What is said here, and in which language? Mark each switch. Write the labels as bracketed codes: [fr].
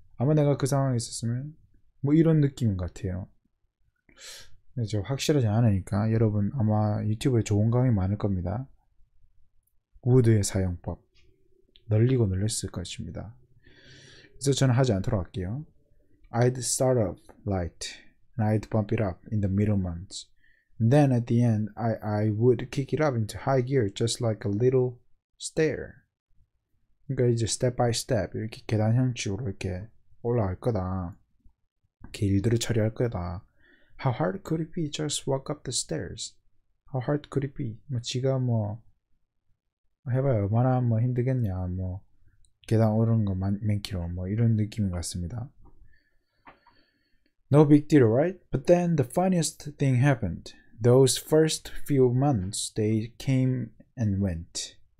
[ko] 아마 내가 그 상황에 있었으면 뭐 이런 느낌인 것 같아요. 제가 확실하지 않으니까 여러분 아마 유튜브에 좋은 강의 많을 겁니다. 우드의 사용법 널리고 늘렸을 것입니다. 그래서 저는 하지 않도록 할게요. [en] I'd start off light and I'd bump it up in the middle months. And then at the end, I would kick it up into high gear just like a little stair. [ko] 그러니까 이제 [en] step by step [ko] 이렇게 계단 형식으로 이렇게 올라갈 거다. 이렇게 일들을 처리할 거다. [en] How hard could it be just walk up the stairs? How hard could it be? [ko] 뭐 지가 뭐 해봐요. 얼마나 뭐 힘들겠냐. 뭐 계단 오르는 거 맨키로 뭐 이런 느낌인 것 같습니다. [en] No big deal, right? But then the funniest thing happened. Those first few months, they came and went.